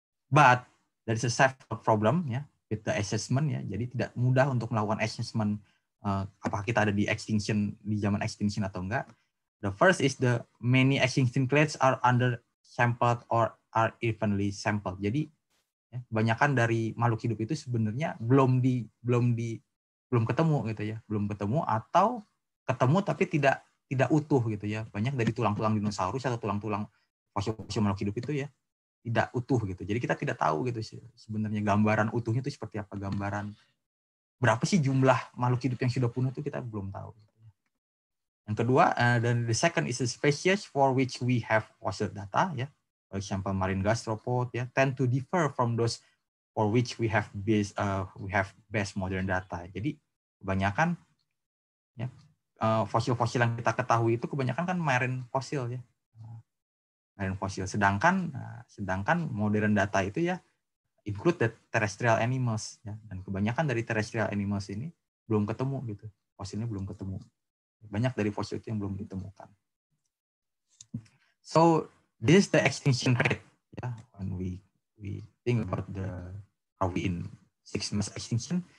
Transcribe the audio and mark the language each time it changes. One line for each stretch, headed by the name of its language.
English: But there is a several problem ya yeah, with the assessment ya. Yeah.
Indonesian: Jadi tidak mudah untuk melakukan assessment apakah kita ada di extinction di zaman extinction atau enggak.
English: The first is the many extinction clades are under sampled or are evenly sampled.
Indonesian: Jadi yeah, kebanyakan dari makhluk hidup itu sebenarnya belum ketemu gitu ya. Belum ketemu atau ketemu tapi tidak utuh gitu ya. Banyak dari tulang-tulang dinosaurus atau tulang-tulang fosil-fosil makhluk hidup itu ya tidak utuh gitu. Jadi kita tidak tahu gitu sebenarnya gambaran utuhnya itu seperti apa, gambaran berapa sih jumlah makhluk hidup yang sudah punah itu kita belum tahu. Yang kedua dan
English: the second is the species for which we have fossil data ya. For example marine gastropod ya tend to differ from those for which we have best modern data.
Indonesian: Jadi kebanyakan ya fosil-fosil yang kita ketahui itu kebanyakan kan marine fosil ya. Marine fosil. Sedangkan modern data itu ya
English: include the terrestrial animals
Indonesian: ya, dan kebanyakan dari terrestrial animals ini belum ketemu gitu. Fosilnya belum ketemu. Banyak dari fosil itu yang belum ditemukan.
English: So this is the extinction rate ya, when we think about the are we in 6 mass extinction.